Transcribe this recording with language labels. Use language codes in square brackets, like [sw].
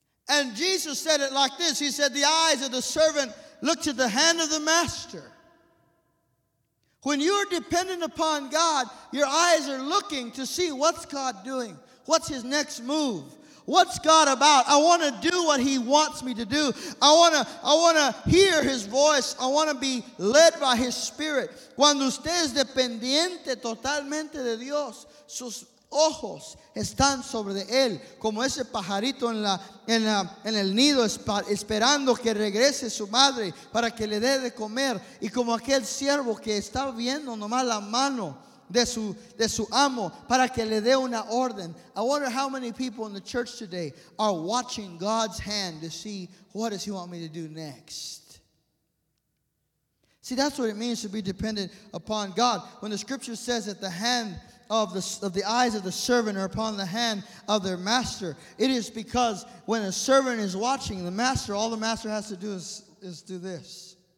[en] And Jesus said it like this. He said, the eyes of the servant look to the hand of the master. When you are dependent upon God, your eyes are looking to see what's God doing. What's his next move? What's God about? I want to do what he wants me to do. I want to hear his voice. I want to be led by his spirit. [es] Cuando usted es dependiente totalmente de Dios, sus ojos están sobre él, como ese pajarito en el nido esperando que regrese su madre para que le dé de comer, y como aquel siervo que está viendo nomás la mano de su amo para que le dé una orden. [en] I wonder how many people in the church today are watching God's hand to see what does he want me to do next. See, that's what it means to be dependent upon God. When the scripture says that the hand of the eyes of the servant are upon the hand of their master, it is because when a servant is watching the master, all the master has to do is do this.